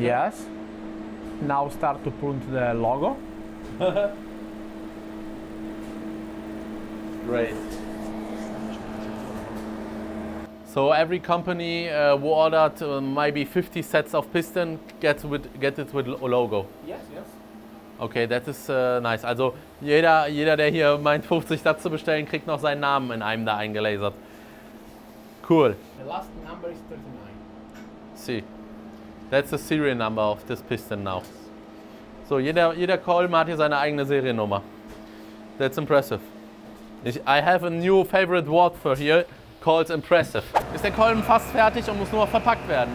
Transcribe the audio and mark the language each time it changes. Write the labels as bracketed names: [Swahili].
[English] Yes. Now start to print the logo. Great. So every company who ordered maybe 50 sets of piston get it with a logo. Yes, yes. Okay, that is nice. [German] Also jeder der hier meint 50 Sets zu bestellen, kriegt noch seinen Namen in einem da eingelasert. Cool. [English] The last number is 39. See, that's the serial number of this piston now. [German] So jeder Kolben hat hier seine eigene Seriennummer. [English] That's impressive. I have a new favorite word for here, called impressive. [German] Ist der Kolben fast fertig und muss nur noch verpackt werden?